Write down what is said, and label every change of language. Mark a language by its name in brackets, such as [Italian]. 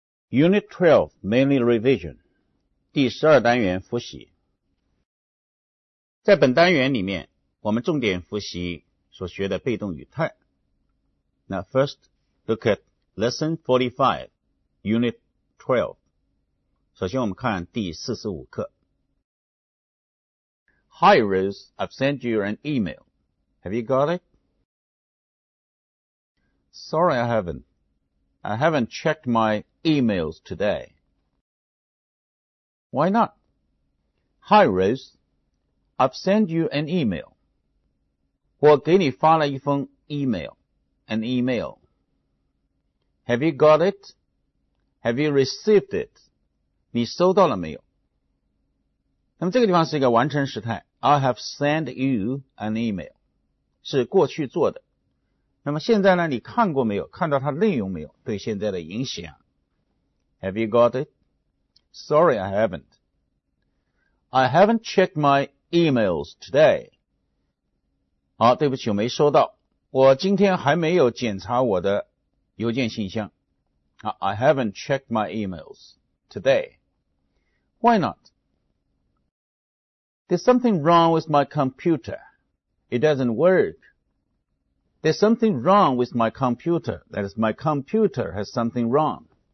[English] Unit 12, Mainly Revision [Chinese] 第十二单元复习。在本单元里面，我们重点复习所学的被动语态。 [English] Now first, look at Lesson 45, Unit 12. [Chinese] 首先我们看第45课。 [English] Hi Rose, I've sent you an email. Have you got it? Sorry, I haven't. I haven't checked my emails today. Why not? Hi Rose, I've sent you an email. [Chinese] 我给你发了一封 email, an email. [English] Have you got it? Have you received it? [Chinese] 你收到了没有？那么这个地方是一个完成时态。 [English] I have sent you an email. [Chinese] 是过去做的。那么现在呢，你看过没有？看到它内容没有？对现在的影响。 [English] Have you got it? Sorry, I haven't. I haven't checked my emails today. [Chinese] 好，对不起，我没收到。我今天还没有检查我的邮件信箱。 [English] I haven't checked my emails today. Why not? There's something wrong with my computer. It doesn't work. There's something wrong with my computer. That is, my computer has something wrong.